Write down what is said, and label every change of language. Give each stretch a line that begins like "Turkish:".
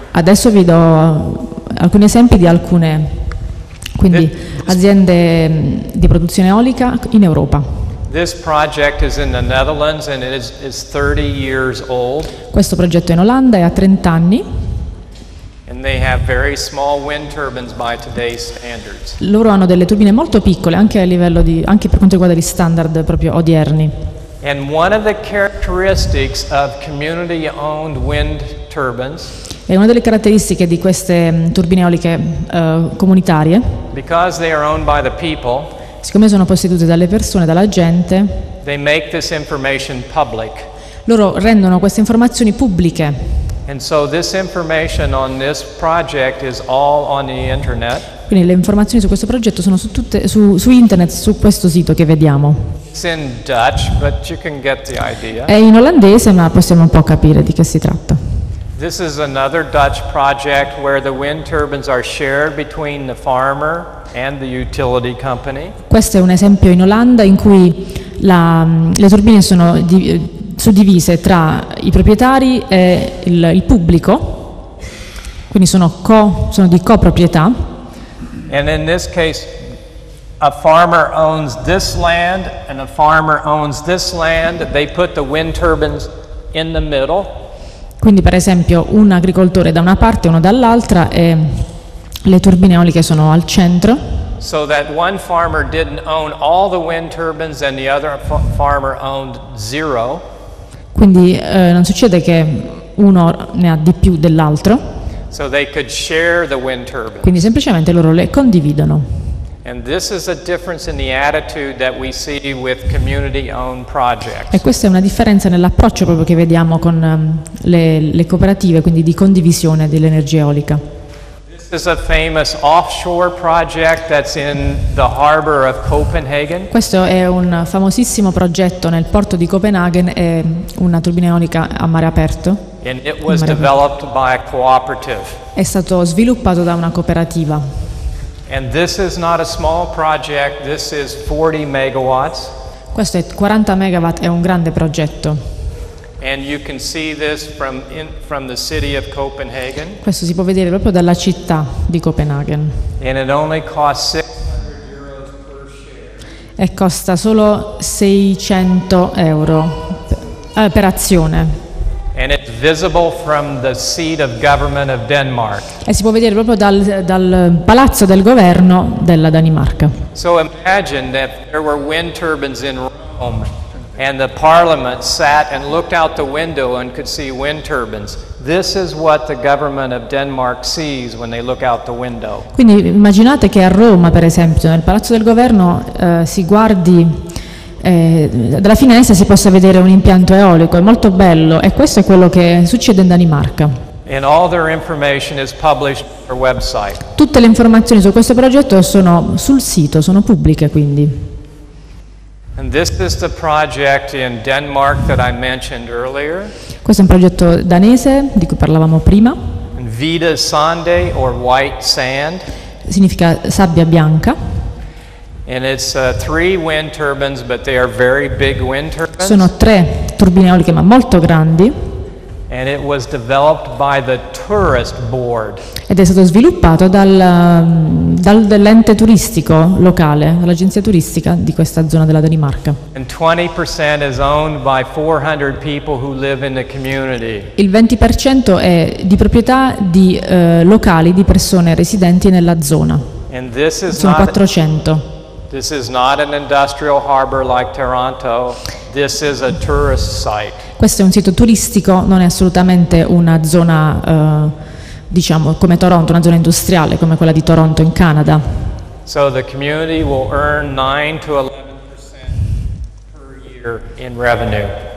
Italian: Adesso vi do alcuni esempi di alcune, quindi, aziende di produzione eolica in Europa.
English: This project is in the Netherlands and it is 30 years old.
Italian: Questo progetto è in Olanda e ha 30 anni.
English: And they have very small wind turbines by today's standards.
Italian: Loro hanno delle turbine molto piccole anche a livello di, anche per quanto riguarda gli standard proprio odierni.
English: And one of the characteristics of community owned wind turbines.
Italian: È una delle caratteristiche di queste turbine eoliche comunitarie.
English: Because they are owned by the people.
Italian: Siccome sono possedute dalle persone, dalla gente,
English: they make this information public.
Italian: Loro rendono queste informazioni pubbliche.
English: And so this information on this project is all on the internet.
Italian: Quindi le informazioni su questo progetto sono su, tutte, su, su internet, su questo sito che vediamo.
English: It's in Dutch, but you can get the idea.
Italian: È in olandese, ma possiamo un po' capire di che si tratta.
English: This is another Dutch project where the wind turbines are shared between the farmer and the utility company.
Italian: Questo è un esempio in Olanda in cui la, le turbine sono di, suddivise tra i proprietari e il pubblico, quindi sono, sono di coproprietà.
English: And in this case, a farmer owns this land and a farmer owns this land. They put the wind turbines in the middle.
Italian: Quindi per esempio un agricoltore da una parte, uno dall'altra e le turbine eoliche sono al centro.
English: So that one farmer didn't own all the wind turbines and the other farmer owned zero.
Italian: Quindi non succede che uno ne ha di più dell'altro.
English: So they could share the wind turbines.
Italian: Quindi semplicemente loro le condividono.
English: And this is a difference in the attitude that we see with community-owned projects.
Italian: E questa è una differenza nell'approccio proprio che vediamo con le cooperative, quindi di condivisione dell'energia eolica.
English: This is a famous offshore project that's in the harbor of Copenhagen.
Italian: Questo è un famosissimo progetto nel porto di Copenaghen, è una turbina eolica a mare aperto.
English: And it was developed by a cooperative.
Italian: È stato sviluppato da una cooperativa.
English: And this is not a small project, this is 40 megawatts.
Italian: Questo è 40 megawatt, è un grande progetto.
English: And you can see this from in, from the city of Copenhagen.
Italian: Questo si può vedere proprio dalla città di Copenaghen.
English: And it only costs 600 euros per share.
Italian: E costa solo 600 euro per azione.
English: And it's visible from the seat of government of Denmark.
Italian: E si può vedere proprio dal, dal palazzo del governo della Danimarca.
English: So imagine that there were wind turbines in Rome and the parliament sat and looked out the window and could see wind turbines. This is what the government of Denmark sees when they look out the window.
Italian: Quindi immaginate che a Roma, per esempio, nel palazzo del governo si guardi dalla finestra si possa vedere un impianto eolico, è molto bello e questo è quello che succede in Danimarca.
English: And all their information is published on their website.
Italian: Tutte le informazioni su questo progetto sono sul sito, sono pubbliche quindi.
English: And this is the project in Denmark that I mentioned earlier.
Italian: Questo è un progetto danese di cui parlavamo prima.
English: And Hvide Sande, or white sand.
Italian: Significa sabbia bianca.
English: And it's three wind turbines, but they are very big wind turbines.
Italian: Sono tre turbine eoliche, ma molto grandi.
English: And it was developed by the tourist board.
Italian: Ed è stato sviluppato dall'ente turistico locale, dall'agenzia turistica di questa zona della Danimarca.
English: And 20% is owned by 400 people who live in the community.
Italian: Il 20% è di proprietà di locali, di persone residenti nella zona.
English: And this is
Italian: sono 400.
English: This is not an industrial harbor like Taranto. This is a tourist site.
Italian: Questo è un sito turistico, non è assolutamente una zona, diciamo, come Toronto, una zona industriale come quella di Toronto in Canada.
English: So the community will earn 9-11% per year in revenue.